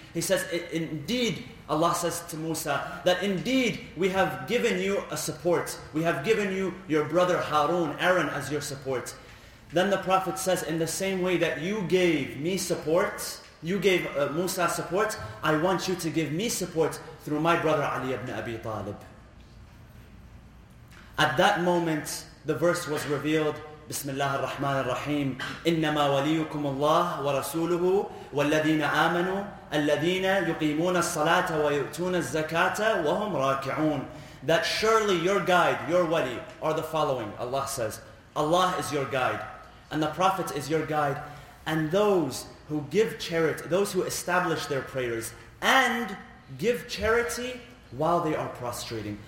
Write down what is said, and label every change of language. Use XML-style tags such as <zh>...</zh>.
<en>He says, indeed, Allah says to Musa, that indeed we have given you a support. We have given you your brother Harun, Aaron, as your support. Then the Prophet says, in the same way that you gave me support, you gave Musa support, I want you to give me support through my brother Ali ibn Abi Talib. At that moment, the verse was revealed,</en> <ar>Bismillah ar-Rahman ar-Rahim, إِنَّمَا وَلِيُّكُمْ اللَّهُ وَرَسُولُهُ وَالَّذِينَ آمَنُوا الَّذِينَ يُقِيمُونَ الصَّلَاةَ وَيُؤْتُونَ الزَّكَاةَ وَهُمْ رَاكِعُونَ.</ar> <en>That surely your guide, your wali, are the following, Allah says. Allah is your guide, and the Prophet is your guide, and those who give charity, those who establish their prayers, and give charity while they are prostrating.</en>